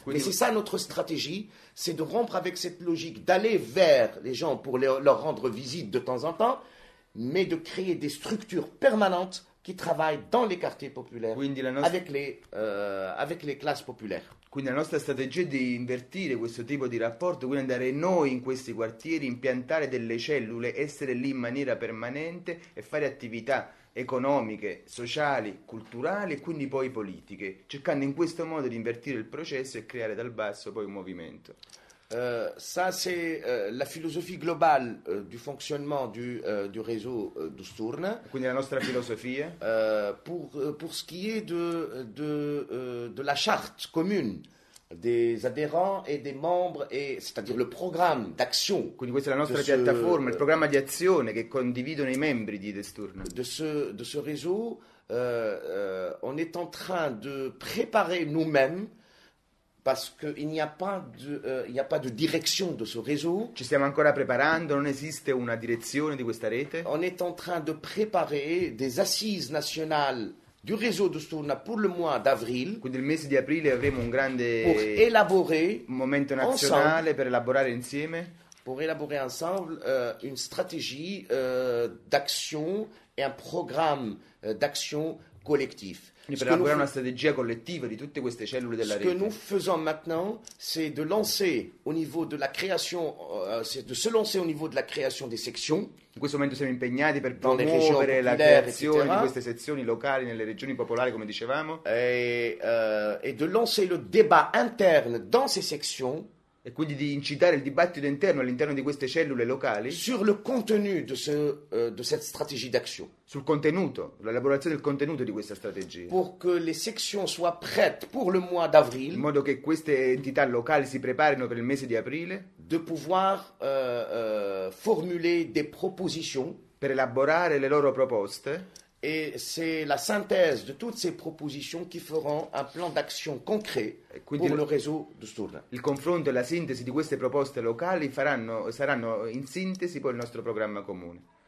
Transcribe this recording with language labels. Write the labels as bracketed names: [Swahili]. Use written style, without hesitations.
[Italian] Quindi, [French] mais c'est ça notre stratégie, c'est de rompre avec cette logique d'aller vers les gens pour leur rendre visite de temps en temps, mais de créer des structures permanentes qui travaillent dans les quartiers populaires, [Italian] quindi [French] avec les classes populaires. [Italian] Quindi la nostra strategia è di invertire questo tipo di rapporto, quindi andare noi in questi quartieri, impiantare delle cellule, essere lì in maniera permanente e fare attività economiche, sociali, culturali e quindi poi politiche, cercando in questo modo di invertire il processo e creare dal basso poi un movimento. [French] Ça c'est la philosophie globale du fonctionnement du réseau de Sturna. [Italian] Quindi la nostra filosofia. [French] Pour ce qui est de la charte commune des adhérents et des membres et c'est-à-dire le programme d'action. [Italian] Quindi questa è la nostra piattaforma, il programma di azione che condividono i membri di Sturna. [French] De ce réseau, on est en train de préparer nous-mêmes. Parce qu'il n'y a pas de direction de ce réseau. [Italian] Ci stiamo ancora preparando, non esiste una direzione di questa rete. [French] On est en train de préparer des assises nationales du réseau de Sturna pour le mois d'avril. [Italian] Quindi il mese di aprile avremo un grande momento nazionale [French] ensemble, [Italian] per elaborare insieme. [French] Pour élaborer ensemble une stratégie d'action et un programme d'action collectif. [Italian] Per elaborare una strategia collettiva di tutte queste cellule della rete. [French] Ce que nous faisons maintenant, c'est de lancer au niveau de la création, c'est de se lancer au niveau de la création des sections. [Italian] In questo momento siamo impegnati per promuovere la creazione di queste sezioni locali nelle regioni popolari, come dicevamo. [French] Et de lancer le débat interne dans ces sections. [Italian] E quindi di incitare il dibattito interno all'interno di queste cellule locali [French] sur le contenu de cette stratégie d'action. [Italian] Sul contenuto, l'elaborazione del contenuto di questa strategia. [French] Pour que les sections soient prêtes pour le mois d'avril. [Italian] In modo che queste entità locali si preparino per il mese di aprile. [French] De pouvoir formuler des propositions. [Italian] Per elaborare le loro proposte. [French] Et c'est la synthèse de toutes ces propositions qui feront un plan d'action concret pour le réseau de Sturna. [Italian] Il confronto e la sintesi di queste proposte locali saranno in sintesi poi il nostro programma comune.